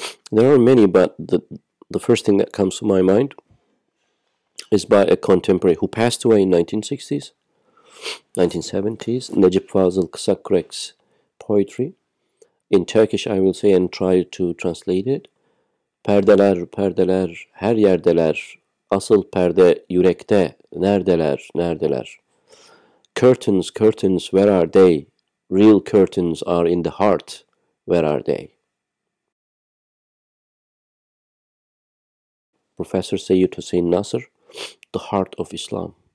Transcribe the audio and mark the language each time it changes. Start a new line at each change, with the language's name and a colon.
English: There are many, but the first thing that comes to my mind is by a contemporary who passed away in 1960s, 1970s, Necip Fazıl Kısakürek's poetry. In Turkish, I will say and try to translate it.
Turkish: Perdeler, perdeler, her yerdeler, asıl perde yürekte, neredeler, neredeler.
English: Curtains, curtains, where are they? Real curtains are in the heart, where are they? Professor Seyyid Hussein Nasr, The Heart of Islam.